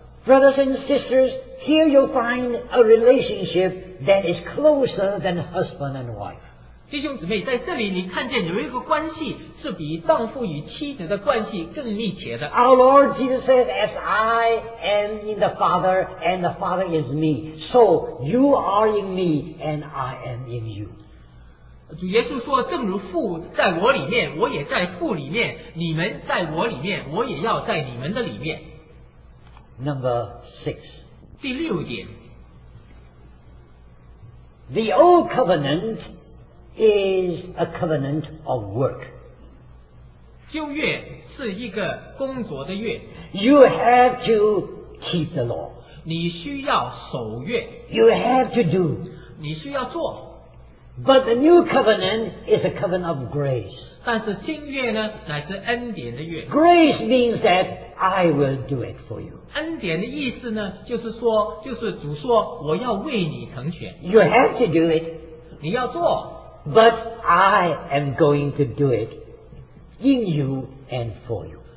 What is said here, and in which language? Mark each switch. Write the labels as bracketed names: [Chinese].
[English] Brothers and sisters, here you find a relationship that is closer than husband and wife. [Chinese] 弟兄姊妹，在这里你看见有一个关系是比丈夫与妻子的关系更密切的。 [English] Our Lord Jesus says, as I am in the Father, and the Father is me, so you are in me, and I am in you. [Chinese] 主耶稣说，正如父在我里面，我也在父里面，你们在我里面，我也要在你们的里面。 [English] Number six. [Chinese] 第六点。 [English] The old covenant is a covenant of work. [Chinese] 旧约是一个工作的约。 [English] You have to keep the law. [Chinese] 你需要守约。 [English] You have to do. [Chinese] 你需要做。 [English] But the new covenant is a covenant of grace. [Chinese] 但是新约呢，乃是恩典的约。 [English] Grace means that I will do it for you. [Chinese] 恩典的意思呢，就是说，就是主说，我要为你成全。 [English] You have to do it. [Chinese] 你要做。 [English] But I am going to do it in you and for you.